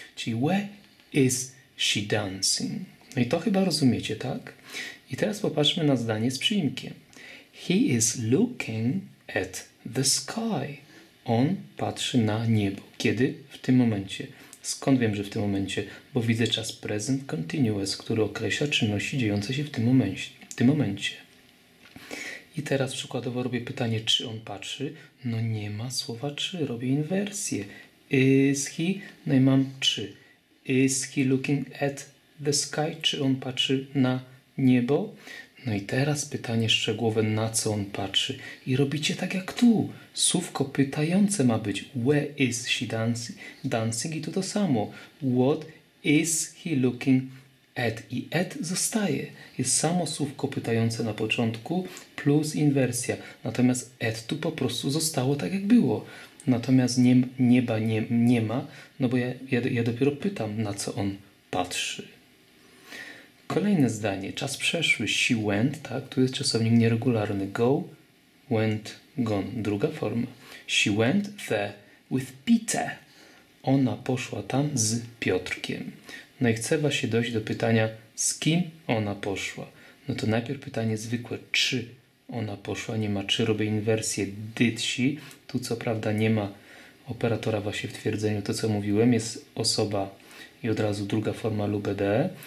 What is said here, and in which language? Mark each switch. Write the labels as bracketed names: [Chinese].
[Polish] Czyli [English] where is she dancing? [Polish] No i to chyba rozumiecie, tak? I teraz popatrzmy na zdanie z przyimkiem. [English] He is looking at the sky. [Polish] On patrzy na niebo. Kiedy? W tym momencie. Skąd wiem, że w tym momencie? Bo widzę czas present continuous, który określa czynności dziejące się w tym momencie. I teraz przykładowo robię pytanie, czy on patrzy? No nie ma słowa czy, robię inwersję. [English] Is he? [Polish] No i mam czy. [English] Is he looking at the sky? [Polish] Czy on patrzy na niebo? No i teraz pytanie szczegółowe, na co on patrzy? I robicie tak jak tu. Słówko pytające ma być. [English] Where is she dancing? [Polish] I tu to samo. [English] What is he looking at? [Polish] I at zostaje. Jest samo słówko pytające na początku plus inwersja. Natomiast at tu po prostu zostało tak jak było. Natomiast nieba nie ma, no bo ja dopiero pytam, na co on patrzy. Kolejne zdanie. Czas przeszły. [English] She went, [Polish] tak? Tu jest czasownik nieregularny. [English] Go, went, gone. [Polish] Druga forma. [English] She went there with Peter. [Polish] Ona poszła tam z Piotrkiem. No i chcę właśnie dojść do pytania, z kim ona poszła. No to najpierw pytanie zwykłe, czy ona poszła, nie ma czy, robię inwersję [English] did she. [Polish] Tu co prawda nie ma operatora właśnie w twierdzeniu, to co mówiłem, jest osoba i od razu druga forma lub ed.